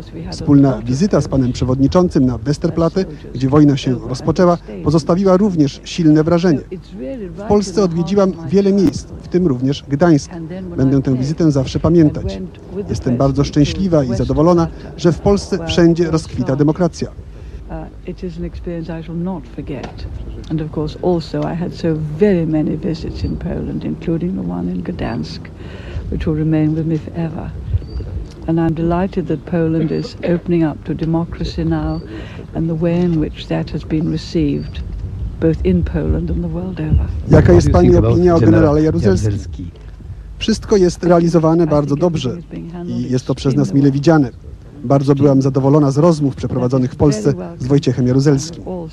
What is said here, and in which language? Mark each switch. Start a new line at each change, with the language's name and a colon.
Polish: Wspólna wizyta z panem przewodniczącym na Westerplatte, gdzie wojna się rozpoczęła, pozostawiła również silne wrażenie. W Polsce odwiedziłam wiele miejsc, w tym również Gdańsk. Będę tę wizytę zawsze pamiętać. Jestem bardzo szczęśliwa i zadowolona, że w Polsce wszędzie rozkwita demokracja.
English: It is an experience I shall not forget. And of course also I had so very many visits in Poland, including the one in Gdansk, which will remain with me forever. And I'm delighted that Poland is opening up to democracy now and the way in which that has been received both in Poland and the world over.
Polish: Jaka jest pani opinia o generale Jaruzelskim? Wszystko jest realizowane bardzo dobrze i jest to przez nas mile widziane. Bardzo byłam zadowolona z rozmów przeprowadzonych w Polsce z Wojciechem Jaruzelskim.